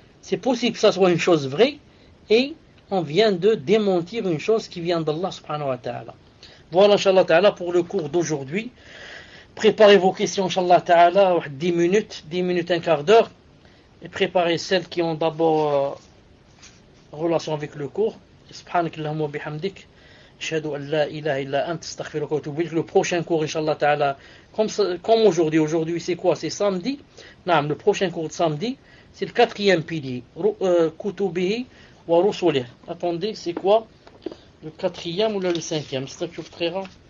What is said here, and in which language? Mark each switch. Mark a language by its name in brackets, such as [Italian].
[French] C'est possible que ça soit une chose vraie. Et on vient de démentir une chose qui vient d'Allah [Arabic] subhanahu wa ta'ala. [French] Voilà, inshallah ta'ala, pour le cours d'aujourd'hui. Préparez vos questions, inshallah ta'ala, 10 minutes, 10 minutes, un quart d'heure. Et préparez celles qui ont d'abord relation avec le cours. [Arabic] Subhanakallahumma wa bihamdik. أشهد أن لا إله إلا أنت استغفرك واتوب إليك. [French] Le prochain cours inshallah ta'ala comme aujourd'hui. Aujourd'hui c'est quoi? C'est samedi. نعم, le prochain cours de samedi c'est le quatrième pilier, [Arabic] كتبه ورسله. [French] Attendez, c'est quoi le quatrième ou le cinquième? C'est très rare.